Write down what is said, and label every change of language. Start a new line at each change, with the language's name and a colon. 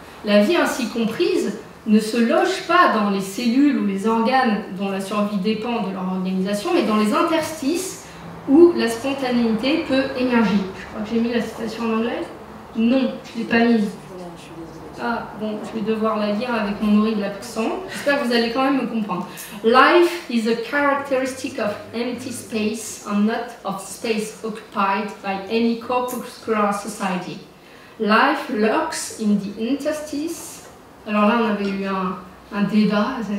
French: La vie ainsi comprise ne se loge pas dans les cellules ou les organes dont la survie dépend de leur organisation, mais dans les interstices où la spontanéité peut émerger. Je crois que j'ai mis la citation en anglais. Non, je ne l'ai pas mise. Ah, bon, je vais devoir la lire avec mon horrible accent. J'espère que vous allez quand même me comprendre.
English: Life is a characteristic of empty space and not of space occupied by any corpuscular society. Life lurks in the interstice.
French: Alors là, on avait eu un débat.